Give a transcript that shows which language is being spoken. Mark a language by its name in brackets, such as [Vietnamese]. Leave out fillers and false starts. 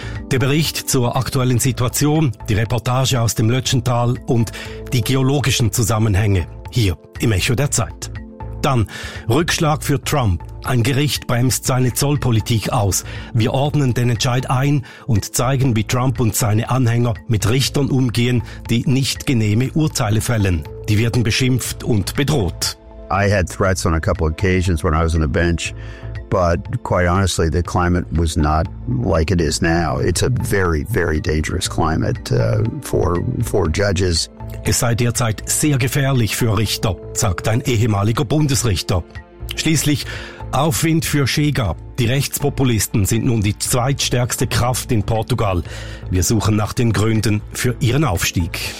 [German] Der Bericht zur aktuellen Situation, die Reportage aus dem Lötschental und die geologischen Zusammenhänge hier im Echo der Zeit. Dann Rückschlag für Trump. Ein Gericht bremst seine Zollpolitik aus. Wir ordnen den Entscheid ein und zeigen, wie Trump und seine Anhänger mit Richtern umgehen, die nicht genehme Urteile fällen. Die werden beschimpft und bedroht. [English] I had threats on a couple of occasions when I was on the bench, but quite honestly, the climate was not like it is now. It's a very, very dangerous climate for judges. [German] Es sei derzeit sehr gefährlich für Richter, sagt ein ehemaliger Bundesrichter. Schließlich Aufwind für Chega. Die Rechtspopulisten sind nun die zweitstärkste Kraft in Portugal. Wir suchen nach den Gründen für ihren Aufstieg.